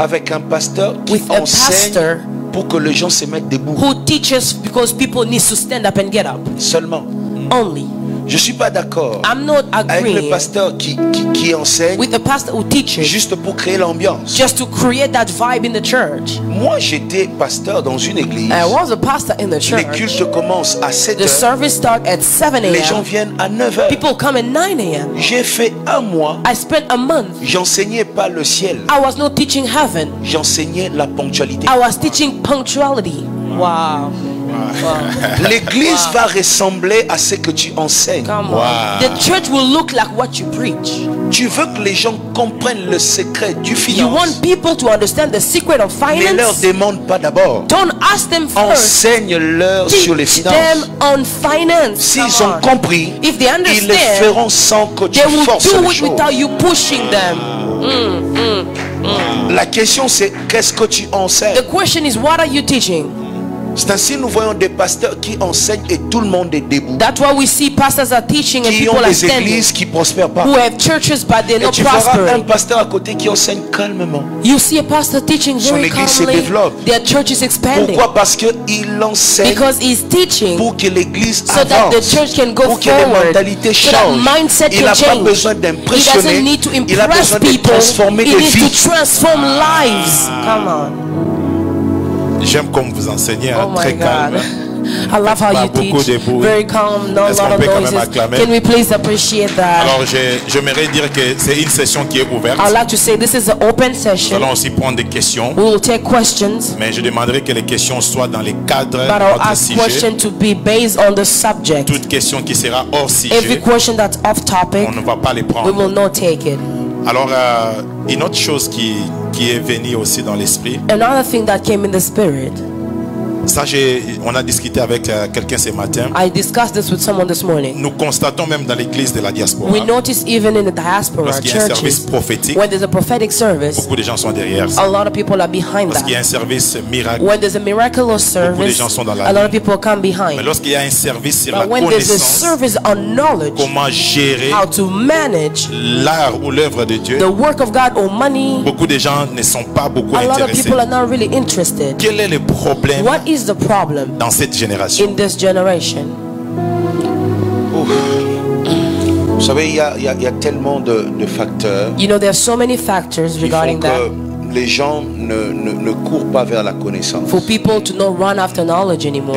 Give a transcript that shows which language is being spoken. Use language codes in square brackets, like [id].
[fr] Avec un pasteur qui enseigne pour que les gens se mettent debout. [en] Who teaches because people need to stand up and get up. [fr] Seulement. [en] Only. [fr] Je suis pas d'accord. [en] I'm not agreeing [fr] avec le pasteur qui enseigne. [en] With the pastor who teaches. [fr] Juste pour créer l'ambiance. [en] Just to create that vibe in the church. [fr] Moi, j'étais pasteur dans une église. [en] I was a pastor in the church. [fr] Les cultes commencent à 7h. [en] The service starts at 7 a.m. [fr] Les gens viennent à 9h. [en] People come at 9 a.m. [fr] J'ai fait un mois. [en] I spent a month. [fr] J'enseignais pas le ciel. [en] I was not teaching heaven. [fr] J'enseignais la ponctualité. [en] I was teaching punctuality. Wow. [fr] L'église va ressembler à ce que tu enseignes. [en] Wow. The church will look like what you preach. [fr] Tu veux que les gens comprennent le secret du finance. [en] You want people to understand the secret of finance. [fr] Ne leur demande pas d'abord. [en] Don't ask them first. [fr] Enseigne-leur [en] teach [fr] sur les finances. [en] Them on finance. [fr] S'ils ont compris, [en] if they understand, [fr] ils le feront sans que [en] they [fr] tu [en] will [fr] forces [en] do [fr] les [en] it [fr] choses. [en] Without you pushing them. [fr] La question c'est qu'est-ce que tu enseignes? [en] The question is what are you teaching? [fr] C'est ainsi que nous voyons des pasteurs qui enseignent et tout le monde est debout. [en] That's why we see pastors are teaching and people are standing. [fr] Qui ont des églises qui prospèrent pas. [en] Who have churches but they're not [fr] prospering. Et tu verras un pasteur à côté qui enseigne calmement. [en] You see a pastor teaching very calmly. [fr] Son église se développe. [en] Their church is expanding. [fr] Pourquoi? Parce que il enseigne. [en] Because he's teaching. [fr] Pour que l'église [en] so [fr] avance. [en] So that the church can go [fr] pour Pour que les mentalités changent. [en] So that mindset [fr] il [en] can change. [fr] Il n'a pas besoin d'impressionner. [en] He doesn't need to impress [fr] il a besoin [en] people. [fr] De transformer des vies. [en] He needs to transform lives. Come on. [fr] J'aime comme vous enseignez, [en] oh [fr] très [en] God. [fr] Calme. [en] I love how you teach. [fr] De bruit. [en] Very calm, no lot of noises. Can we please appreciate that? [fr] Alors, j'aimerais dire que c'est une session qui est ouverte. [en] I'd like to say this is an open session. [fr] Nous allons aussi prendre des questions. [en] We will take questions. [fr] Mais je demanderai que les questions soient dans les cadres de notre sujet. [en] But I'll ask questions to be based on the subject. [fr] Toute question qui sera hors sujet. [en] Every question that's off topic. [fr] On ne va pas les prendre. [en] We will not take it. [fr] Alors, une autre chose qui est venue aussi dans l'esprit. [en] Another thing that came in the spirit. [fr] Ça, on a discuté avec quelqu'un ce matin. [en] I discussed this with someone this morning. [fr] Nous constatons même dans l'église de la diaspora. [en] We notice even in the diaspora churches. When there's a prophetic service. [fr] Beaucoup de gens sont derrière. [en] A lot of people are behind [fr] that. Qu'il y a un service miracle. [en] When there's a miraculous service. [fr] Beaucoup de gens sont dans la. [en] A lot of people come behind. [fr] Mais lorsqu'il y a un service sur la [en] connaissance. But when there's a service on knowledge. [fr] Comment gérer. [en] How to manage. [fr] L'art ou l'œuvre de Dieu. [en] The work of God or money. [fr] Beaucoup de gens ne sont pas beaucoup intéressés. [en] A lot of people are not really interested. [fr] Quel est le problème? [en] What is the problem [fr] dans cette génération? [en] In this generation. [fr] Vous savez, il y a tellement de facteurs. [en] You know, there are so many factors regarding that. [fr] Les gens ne courent pas vers la connaissance. [en] For people to not run after knowledge anymore.